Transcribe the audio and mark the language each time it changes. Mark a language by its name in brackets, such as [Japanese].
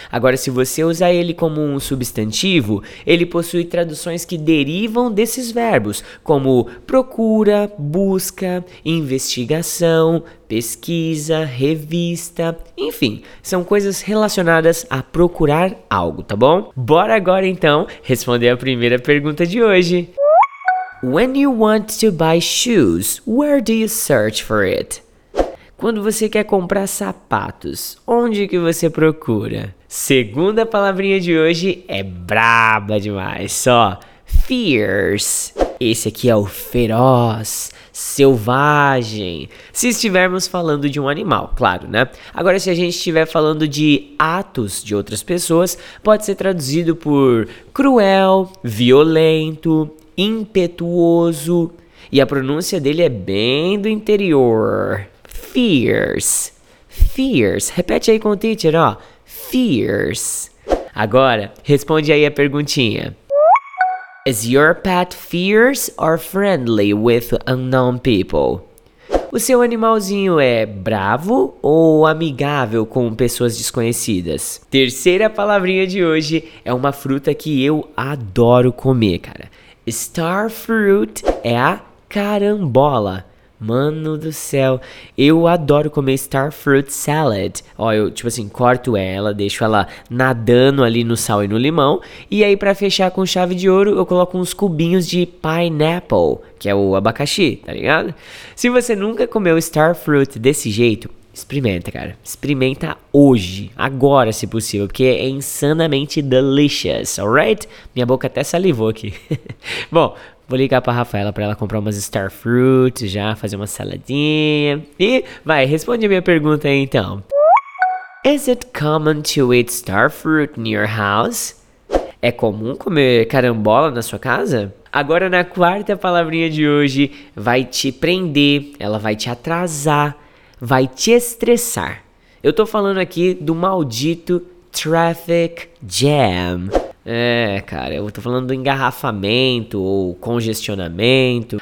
[Portuguese] Agora, se você usar ele como um substantivo, ele possui traduções que derivam desses verbos, como procura, busca, investigação, pesquisa, revista, enfim, são coisas relacionadas a procurar algo, tá bom? Bora agora, então, responder a primeira pergunta de hoje. [English] When you want to buy shoes, where do you search for it? [Portuguese] Quando você quer comprar sapatos, onde que você procura? Segunda palavrinha de hoje é braba demais, só. Fierce. Esse aqui é o feroz, selvagem. Se estivermos falando de um animal, claro, né? Agora, se a gente estiver falando de atos de outras pessoas, pode ser traduzido por cruel, violento, impetuoso. E a pronúncia dele é bem do interior. Fierce. Fierce. Repete aí com o teacher, ó. Fierce. Agora, responde aí a perguntinha. [English] Is your pet fierce or friendly with unknown people? [Portuguese] O seu animalzinho é bravo ou amigável com pessoas desconhecidas? Terceira palavrinha de hoje é uma fruta que eu adoro comer, cara. Star fruit é a carambola. Mano do céu, eu adoro comer [English] star fruit salad. [Portuguese] Ó, eu tipo assim, corto ela, deixo ela nadando ali no sal e no limão. E aí pra fechar com chave de ouro, eu coloco uns cubinhos de pineapple, que é o abacaxi, tá ligado? Se você nunca comeu star fruit desse jeito, Experimenta, cara. Experimenta hoje, agora se possível, porque é insanamente [English] delicious, alright? [Portuguese] Minha boca até salivou aqui. Bom, vou ligar pra Rafaela pra ela comprar umas starfruit já, fazer uma saladinha. E vai, responde a minha pergunta aí então. [English] Is it common to eat starfruit in your house? [Portuguese] É comum comer carambola na sua casa? Agora na quarta palavrinha de hoje, vai te prender, ela vai te atrasar, vai te estressar. Eu tô falando aqui do maldito traffic jam. É, cara, eu tô falando do engarrafamento ou congestionamento.